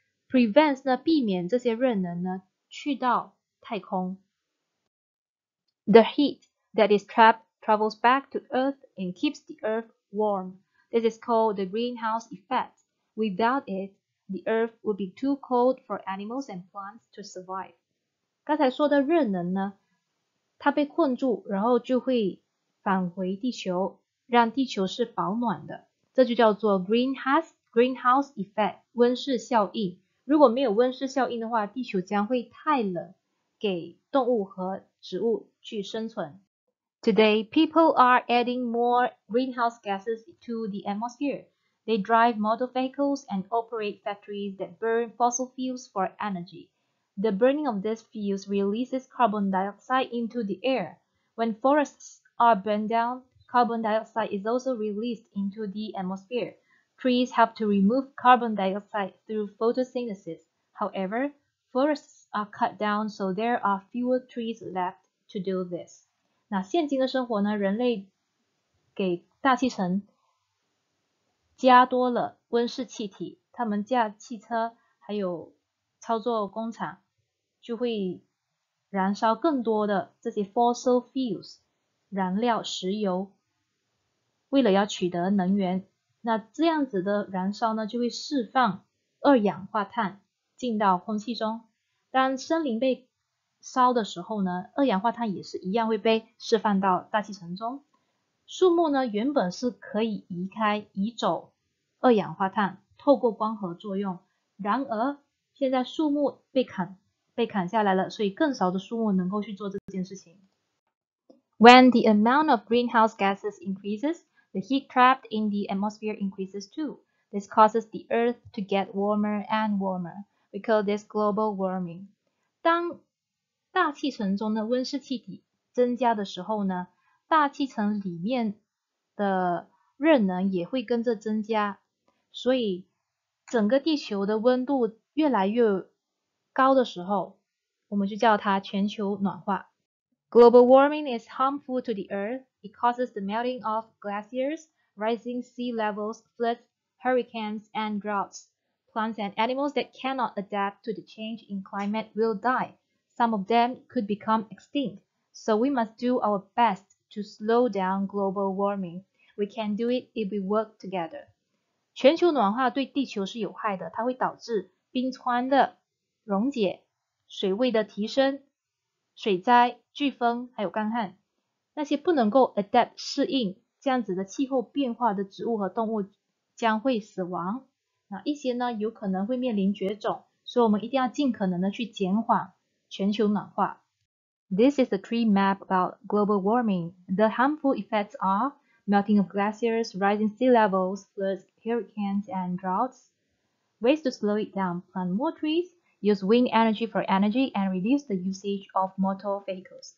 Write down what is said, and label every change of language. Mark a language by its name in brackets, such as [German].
[Chinese] Prevents 呢，避免这些热能呢去到太空。 [English] The heat that is trapped travels back to Earth and keeps the Earth warm. This is called the greenhouse effect. Without it, the earth would be too cold for animals and plants to survive. [Chinese] 刚才说的热能呢，它被困住，然后就会返回地球，让地球是保暖的。这就叫做 greenhouse effect, 温室效应。如果没有温室效应的话，地球将会太冷，给动物和植物去生存。 [English] Today, people are adding more greenhouse gases to the atmosphere. They drive motor vehicles and operate factories that burn fossil fuels for energy. The burning of these fuels releases carbon dioxide into the air. When forests are burned down, carbon dioxide is also released into the atmosphere. Trees help to remove carbon dioxide through photosynthesis. However, forests are cut down, so there are fewer trees left to do this. [Chinese] 那现今的生活呢，人类给大气层加多了温室气体，他们驾汽车还有操作工厂，就会燃烧更多的这些 fossil fuels 燃料石油，为了要取得能源，那这样子的燃烧呢，就会释放二氧化碳进到空气中。当森林被烧的时候呢，二氧化碳也是一样会被释放到大气层中。树木呢，原本是可以移走二氧化碳，透过光合作用。然而，现在树木被砍下来了，所以更少的树木能够去做这件事情。 [English] When the amount of greenhouse gases increases, the heat trapped in the atmosphere increases too. This causes the earth to get warmer and warmer. We call this global warming. [Chinese] 当大气层中的温室气体增加的时候呢，大气层里面的热能也会跟着增加，所以整个地球的温度越来越高的时候，我们就叫它全球暖化。 [English] Global warming is harmful to the earth. It causes the melting of glaciers, rising sea levels, floods, hurricanes, and droughts. Plants and animals that cannot adapt to the change in climate will die. Some of them could become extinct. So we must do our best to slow down global warming. We can do it if we work together. [Chinese] 全球暖化对地球是有害的，它会导致冰川的溶解，水位的提升，水灾，飓风，还有干旱。那些不能够 adapt 适应这样子的气候变化的植物和动物将会死亡。那一些呢，有可能会面临绝种，所以我们一定要尽可能的去减缓全球暖化。 [English] This is a tree map about global warming. The harmful effects are melting of glaciers, rising sea levels, floods, hurricanes, and droughts. Ways to slow it down: plant more trees, use wind energy for energy, and reduce the usage of motor vehicles.